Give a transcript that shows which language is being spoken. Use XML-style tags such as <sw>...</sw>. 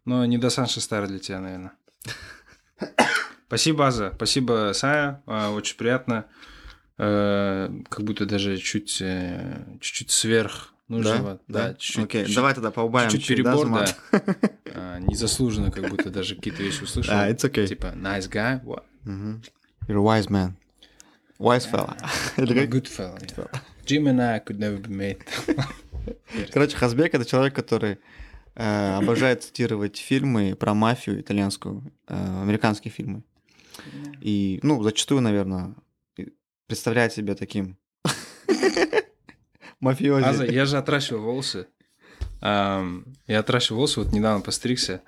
<ru>Но не до Санши старый для тебя, наверное. Спасибо, Аза. Спасибо, Сая. Очень приятно. Как будто даже чуть-чуть сверх нужного. Да? Чуть-чуть, окей, чуть-чуть, давай тогда поубавим. Чуть-чуть перебор, да. Незаслуженно как будто даже какие-то вещи услышал. Да,</ru> <en>it's okay.</en> <ru>Типа,</ru> <en>nice guy. Mm-hmm. You're a wise man. Wise fella. I'm a good fella. Yeah. Jim and I could never be mate.</en> <ru>Короче, Хасбек — это человек, который... обожает цитировать фильмы про мафию итальянскую, американские фильмы. И, ну, зачастую, наверное, представляет себя таким мафиози. Аза, я же отращивал волосы. Я отращивал волосы, вот недавно постригся.</ru>